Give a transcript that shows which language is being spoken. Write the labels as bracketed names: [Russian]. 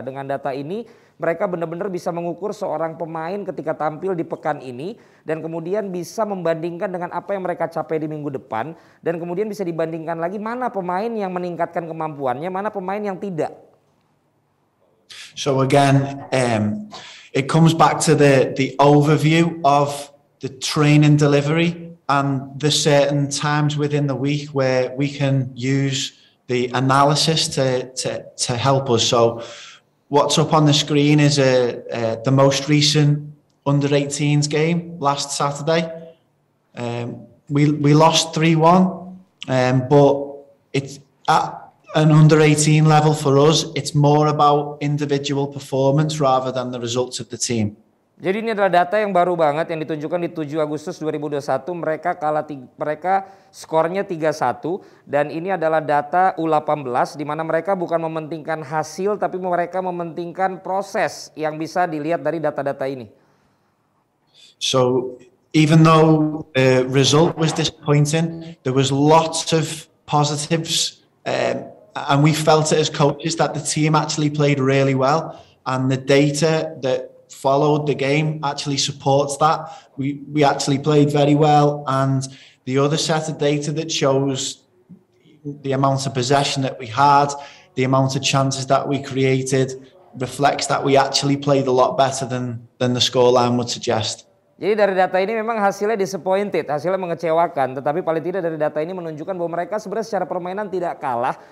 [Indonesian] Dengan data ini mereka benar-benar bisa mengukur seorang pemain ketika tampil di pekan ini dan kemudian bisa membandingkan dengan apa yang mereka capai di minggu depan dan kemudian bisa dibandingkan lagi mana pemain yang meningkatkan kemampuannya, mana pemain yang tidak. [English] So again, it comes back to the overview of the training delivery and the certain times within the week where we can use the analysis to help us. So what's up on the screen is the most recent under-18s game last Saturday. We lost 3-1, but it's at an under-18 level for us. It's more about individual performance rather than the results of the team. [Indonesian] Jadi ini adalah data yang baru banget yang ditunjukkan di 7 Agustus 2021 mereka kalah mereka skornya 3-1 dan ini adalah data U18 di mana mereka bukan mementingkan hasil tapi mereka mementingkan proses yang bisa dilihat dari data-data ini. [English] So even though the result was disappointing, there was lots of positives and we felt it as coaches that the team actually played really well and the data that followed the game actually supports that. We actually played very well and the other set of data that shows the amount of possession that we had, the amount of chances that we created reflects that we actually played a lot better than the scoreline would suggest. [Indonesian] Jadi dari data ini memang hasilnya [English] disappointed, [Indonesian] hasilnya mengecewakan, tetapi paling tidak dari data ini menunjukkan bahwa mereka sebenarnya secara permainan tidak kalah.